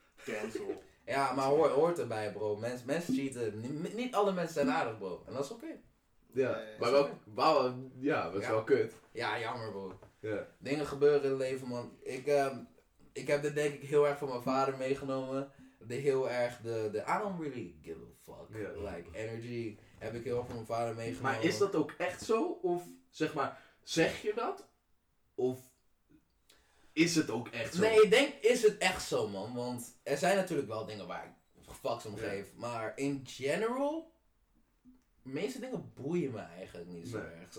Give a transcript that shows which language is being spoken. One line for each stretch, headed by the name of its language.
English: Cancel.
Dutch: Ja, maar hoort erbij, bro. Mensen cheaten. Niet alle mensen zijn aardig, bro. En dat is oké. Okay. Ja, maar wel. Okay. Wel kut. Ja, jammer, bro.
English: Yeah.
Dutch: Dingen gebeuren in het leven, man. Ik heb dit, denk ik, heel erg van mijn vader meegenomen.
English: De I don't really give a fuck. Yeah.
Dutch: Like, energy heb ik heel erg van mijn vader meegenomen. Maar is dat ook echt zo? Of zeg maar, zeg je dat? Of. Is het ook echt zo? Nee, ik denk, is het echt zo, man? Want er zijn natuurlijk wel dingen waar ik fucks om geef. Ja. Maar in general, de meeste dingen boeien me eigenlijk niet zo erg.